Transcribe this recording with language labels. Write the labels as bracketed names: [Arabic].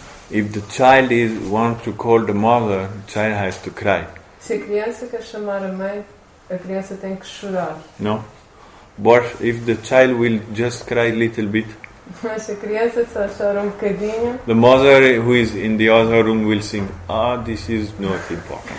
[English] If the child wants to call the mother, the child has to cry. [Portuguese] Se a criança quer chamar a mãe, a criança tem que chorar. [English] No. But if the child will just cry a little bit, [Portuguese] mas a criança só chora um bocadinho, [English] the mother who is in the other room will sing, this is not important.